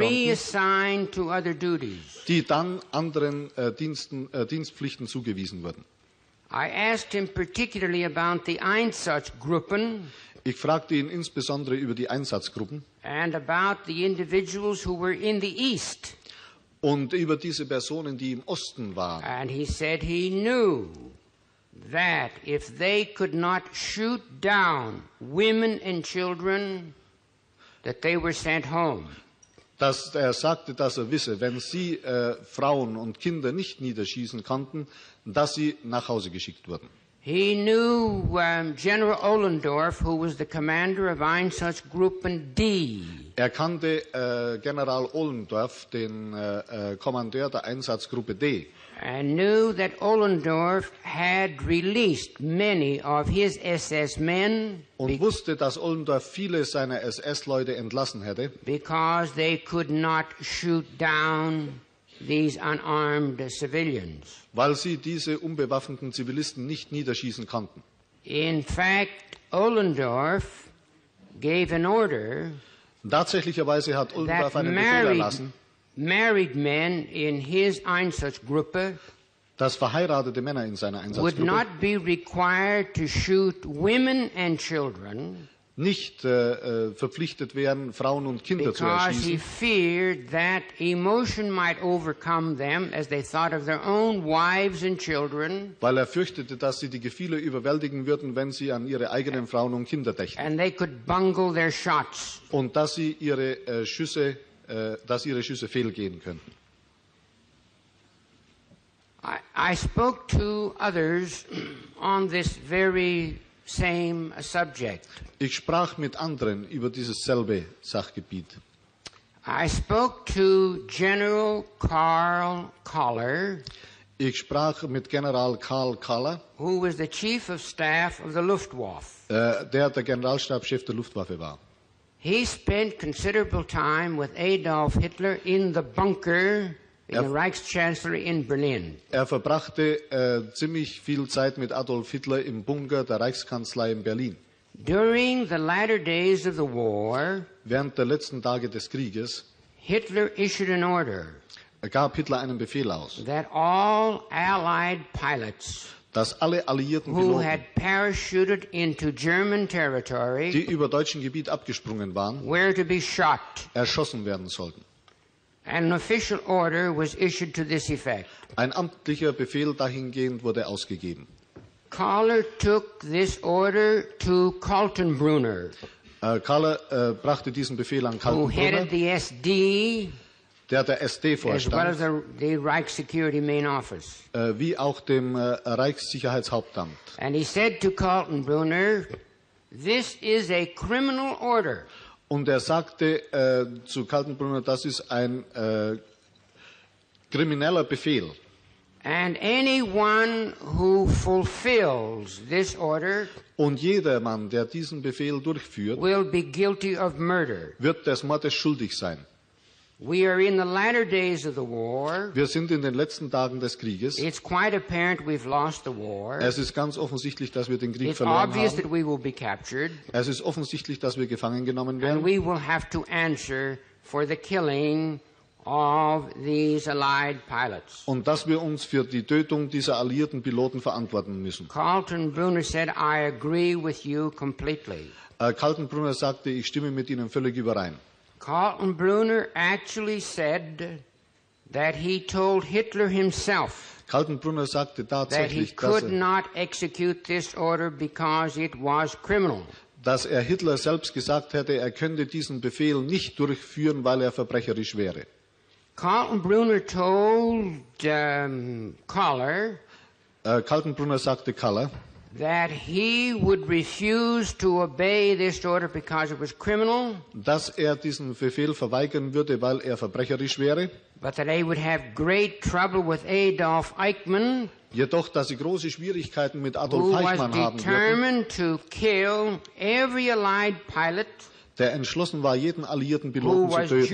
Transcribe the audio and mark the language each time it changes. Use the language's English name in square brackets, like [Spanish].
[English] reassigned to other duties, [German] die dann anderen Diensten, Dienstpflichten zugewiesen wurden. [English] I asked him particularly about the Einsatzgruppen, [German] ich fragte ihn insbesondere über die Einsatzgruppen, [English] and about the individuals who were in the East, [German] und über diese Personen, die im Osten waren. [English] And he said he knew that if they could not shoot down women and children, that they were sent home. [German] Dass er sagte, dass er wisse, wenn sie Frauen und Kinder nicht niederschießen konnten, dass sie nach Hause geschickt wurden. [English] He knew General Ohlendorf, who was the commander of Einsatzgruppen D. [German] Er kannte General Ohlendorf, den Kommandeur der Einsatzgruppe D. [English] And knew that Ohlendorf had released many of his SS men, [German] und wusste, dass Ohlendorf viele seiner SS-Leute entlassen hätte, [English] because they could not shoot down these unarmed civilians, [German] weil sie diese unbewaffneten Zivilisten nicht niederschießen konnten. [English] In fact, Ollendorf gave an order. [German] Tatsächlicherweise hat Ollendorf einen Befehl erlassen. [English] Married men in his Einsatzgruppe. [German] Dass verheiratete Männer in seiner Einsatzgruppe [English] would not be required to shoot women and children, [German] nicht verpflichtet werden, Frauen und Kinder zu erschießen, [English] because he feared that emotion might overcome them as they thought of their own wives and children, [German] weil er fürchtete, dass sie die Gefühle überwältigen würden, wenn sie an ihre eigenen Frauen und Kinder dächten, [English] and they could bungle their shots, [German] und dass sie ihre Schüsse fehlgehen könnten. [English] I spoke to others on this very same subject. [German] Ich sprach mit anderen über dieses selbe Sachgebiet. [English] I spoke to General Karl Koller. [German] Ich sprach mit General Karl Koller, [English] who was the chief of staff of the Luftwaffe. [German] Der Generalstabschef der Luftwaffe war. [English] He spent considerable time with Adolf Hitler in the bunker. In the Reichschancellery in Berlin. [German] Er verbrachte ziemlich viel Zeit mit Adolf Hitler im Bunker der Reichskanzlei in Berlin. [English] During the latter days of the war, [German] während der letzten Tage des Krieges, [English] Hitler issued an order, [German] gab Hitler einen Befehl aus, [English] that all allied pilots, [German] dass alle alliierten [English] who [German] Piloten, [English] had parachuted into German territory, [German] die über deutschen Gebiet abgesprungen waren, [English] were to be shot, [German] erschossen werden sollten. [English] An official order was issued to this effect. [German] Ein amtlicher Befehl dahingehend wurde ausgegeben. [English] Koller took this order to Kaltenbrunner. [German] Koller brachte diesen Befehl an Kaltenbrunner, [English] who headed the SD, [German] der der SD vorstand, [English] as well as the Reich Security Main Office. [German] Wie auch dem Reichssicherheitshauptamt. [English] And he said to Kaltenbrunner, "This is a criminal order." [German] Und er sagte zu Kaltenbrunner, das ist ein krimineller Befehl. [English] And anyone who fulfills this order, [German] und jedermann, der diesen Befehl durchführt, [English] will be guilty of murder, [German] wird des Mordes schuldig sein. [English] We are in the latter days of the war. [German] Wir sind in den letzten Tagen des Krieges. [English] It's quite apparent we've lost the war. [German] Es ist ganz offensichtlich, dass wir den Krieg [English] it's [German] verloren haben. [English] It's obvious that we will be captured. [German] Es ist offensichtlich, dass wir gefangen genommen werden. [English] And we will have to answer for the killing of these allied pilots. [German] Und dass wir uns für die Tötung dieser alliierten Piloten verantworten müssen. [English] Kaltenbrunner said, "I agree with you completely." [German] Kaltenbrunner sagte, ich stimme mit Ihnen völlig überein. [English] Kaltenbrunner actually said that he told Hitler himself [German] Kaltenbrunner sagte tatsächlich, [English] that he could not execute this order because it was criminal. [German] Dass er Hitler selbst gesagt hätte, er könnte diesen Befehl nicht durchführen, weil er verbrecherisch wäre. [English] Kaltenbrunner told Koller [German] Kaltenbrunner sagte Koller, [English] that he would refuse to obey this order because it was criminal, [German] dass er diesen Befehl verweigern würde, weil er verbrecherisch wäre, [English] but that he would have great trouble with Adolf Eichmann, [German] jedoch dass sie große Schwierigkeiten mit Adolf Eichmann haben würden, [English] who was determined to kill every allied pilot, [German] der entschlossen war, jeden alliierten Piloten zu töten,